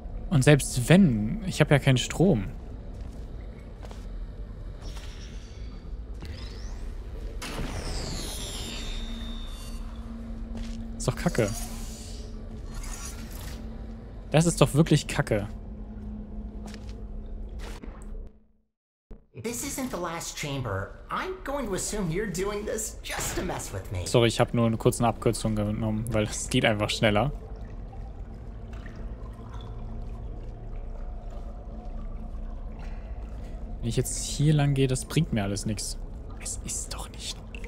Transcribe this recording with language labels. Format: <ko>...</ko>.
<de>Und selbst wenn, ich habe ja keinen Strom. Ist doch Kacke. Das ist doch wirklich Kacke.</de> <en>This isn't the last chamber. I'm going to assume you're doing this just to mess with me.</en> <de>Sorry, ich habe nur eine kurze Abkürzung genommen, weil es geht einfach schneller. Wenn ich jetzt hier lang gehe, das bringt mir alles nichts. Es ist doch nicht.</de>